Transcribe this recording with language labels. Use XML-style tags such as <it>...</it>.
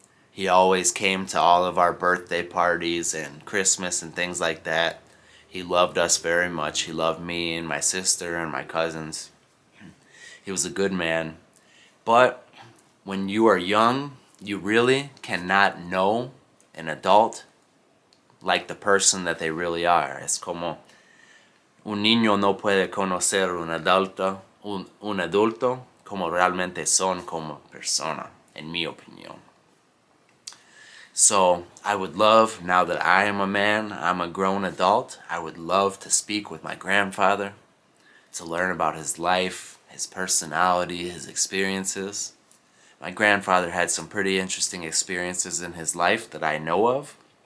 <en>He always came to all of our birthday parties and Christmas and things like that. He loved us very much. He loved me and my sister and my cousins. He was a good man. But when you are young, you really cannot know an adult like the person that they really are.</en> <es>Es como, un niño no puede conocer un adulto como realmente son como persona, en mi opinión.</es> <en>So I would love, now that I am a man, I'm a grown adult, I would love to speak with my grandfather, to learn about his life, his personality, his experiences. My grandfather had some pretty interesting experiences in his life that I know of.</en>